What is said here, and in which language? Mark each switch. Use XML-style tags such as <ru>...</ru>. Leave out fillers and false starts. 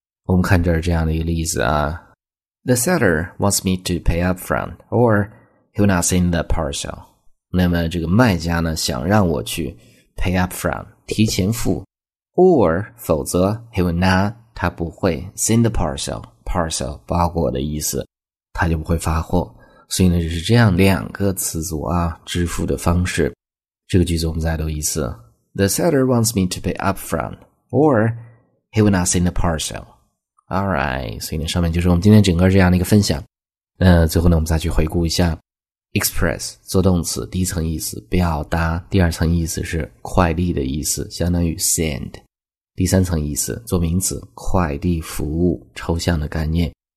<zh>我们看这儿这样的一个例子啊。</zh> <en>The seller wants me to pay upfront, or Hunas in the parcel.</en> <zh>那么这个卖家呢想让我去</zh> <en>pay up front,</en> <zh>提前付。 Or, 否则</zh> <en>he will not,</en> <zh>他不会</zh> <en>send the parcel,</en> <zh>parcel, 包裹的意思。他就不会发货。所以呢就是这样两个词组啊支付的方式。这个句子我们再读一次。</zh> <en>The seller wants me to pay up front, or he will not send the parcel.</en> <zh>Alright, 所以呢上面就是我们今天整个这样的一个分享。最后呢我们再去回顾一下。 Express, 做动词第一层意思表达，第二层意思是快递的意思，相当于 send。第三层意思做名词快递服务，抽象的概念。</zh>